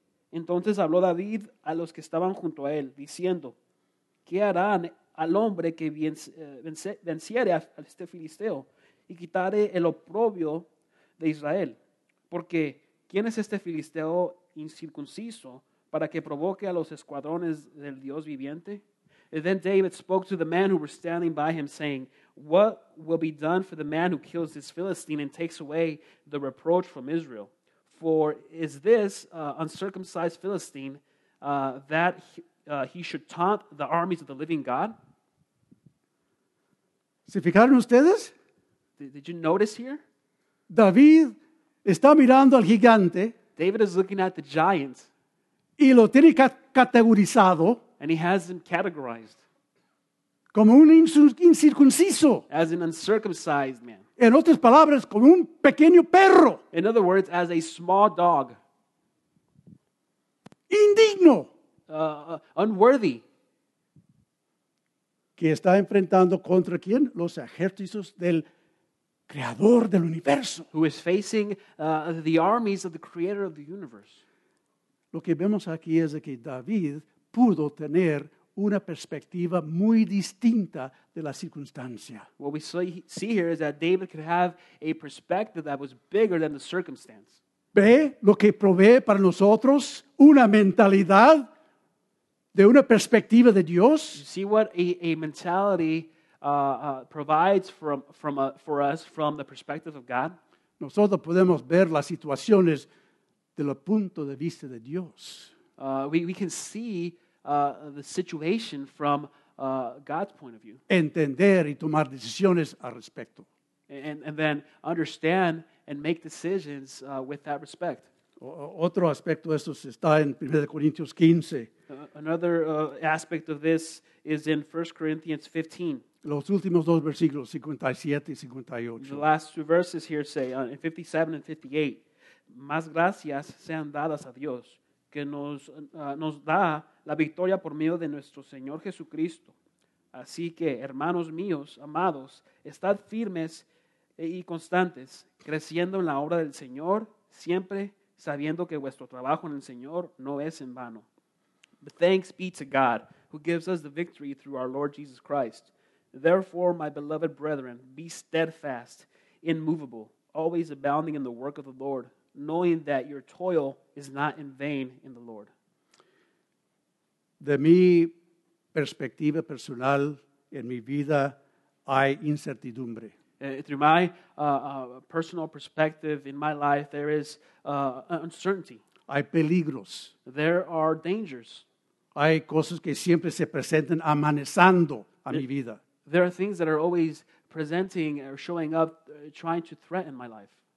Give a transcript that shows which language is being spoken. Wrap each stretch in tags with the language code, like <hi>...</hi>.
<es>Entonces habló David a los que estaban junto a él, diciendo, ¿qué harán al hombre que venciere a este filisteo y quitare el oprobio de Israel? Porque, ¿quién es este filisteo incircunciso para que provoque a los escuadrones del Dios viviente?</es> <en>And then David spoke to the men who were standing by him, saying, what will be done for the man who kills this Philistine and takes away the reproach from Israel? For is this uncircumcised Philistine that he should taunt the armies of the living God?</en> <es>¿Se fijaron ustedes?</es> <en>Did you notice here?</en> <es>David está mirando al gigante.</es> <en>David is looking at the giant.</en> <es>Y lo tiene categorizado.</es> <en>And he has him categorized.</en> <es>Como un incircunciso.</es> <en>As an uncircumcised man.</en> <es>En otras palabras, como un pequeño perro.</es> <en>In other words, as a small dog.</en> <es>Indigno.</es> <en>Unworthy.</en> <es>Que está enfrentando contra quién? Los ejércitos del creador del universo.</es> <en>Who is facing the armies of the creator of the universe.</en> <es>Lo que vemos aquí es que David pudo tener una perspectiva muy distinta de la circunstancia.</es> <en>What we see here is that David could have a perspective that was bigger than the circumstance.</en> <es>Ve lo que provee para nosotros una mentalidad de una perspectiva de Dios.</es> <en>You see what a mentality provides for us from the perspective of God.</en> <es>Nosotros podemos ver las situaciones desde el punto de vista de Dios.</es> <en>We can see the situation from God's point of view.</en> <es>Entender y tomar decisiones al respecto.</es> <en>And then understand and make decisions with that respect.</en> <es>Otro aspecto de esto está en 1 Corintios 15.</es> <en>Another aspect of this is in 1 Corinthians 15.</en> <es>Los últimos dos versículos, 57 y 58.</es> <en>The last two verses here say, in 57 and 58,</en> <es>más gracias sean dadas a Dios, que nos da la victoria por medio de nuestro Señor Jesucristo. Así que, hermanos míos, amados, estad firmes y constantes, creciendo en la obra del Señor, siempre sabiendo que vuestro trabajo en el Señor no es en vano.</es> <en>But thanks be to God, who gives us the victory through our Lord Jesus Christ. Therefore, my beloved brethren, be steadfast, immovable, always abounding in the work of the Lord, knowing that your toil is not in vain in the Lord.</en> <es>De mi perspectiva personal, en mi vida hay incertidumbre.</es> <en>Through my personal perspective in my life, there is uncertainty.</en> <es>Hay peligros.</es> <en>There are dangers.</en> <es>Hay cosas que siempre se presentan amenazando a mi vida.</es> <en>There are things that are always presenting or showing up, trying to threaten my life.</en>